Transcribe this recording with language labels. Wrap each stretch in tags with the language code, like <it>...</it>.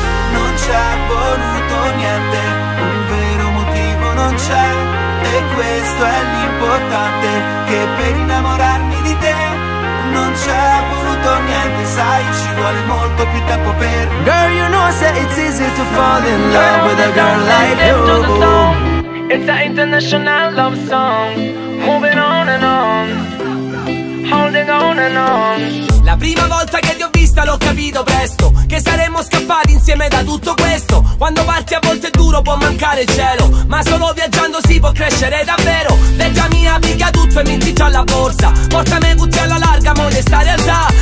<it>Non c'è voluto niente, un vero motivo non c'è, e questo è l'importante, che per innamorarmi di te non c'è voluto niente, sai ci vuole molto più tempo per.</it> <en>Girl, you know that it's easy to fall in love with a girl like you. It's an international love song, moving on and on, holding on and on.</en> <it>La prima volta che ti ho vista l'ho capito presto, che saremmo scappati insieme da tutto questo. Quando parti a volte è duro, può mancare il cielo, ma solo viaggiando si può crescere davvero. Veggia mia, piglia tutto e minti già la borsa. Portami a Gucci alla larga, moglie sta realtà.</it>